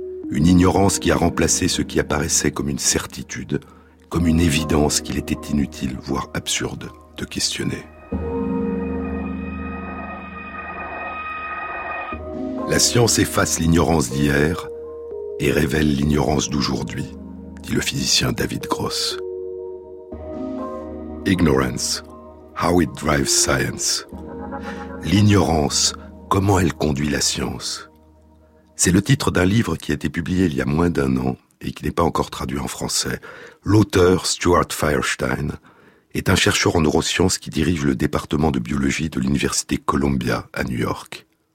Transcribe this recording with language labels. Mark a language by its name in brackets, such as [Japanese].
[French] Une ignorance qui a remplacé ce qui apparaissait comme une certitude, comme une évidence qu'il était inutile, voire absurde, de questionner. La science efface l'ignorance d'hier et révèle l'ignorance d'aujourd'hui, dit le physicien David Gross. [English] Ignorance, how it drives science. [French] L'ignorance, comment elle conduit la science. C'est le titre d'un livre qui a été publié il y a moins d'un an et qui n'est pas encore traduit en français. L'auteur, Stuart Feierstein, est un chercheur en neurosciences qui dirige le département de biologie de l'Université Columbia à New York.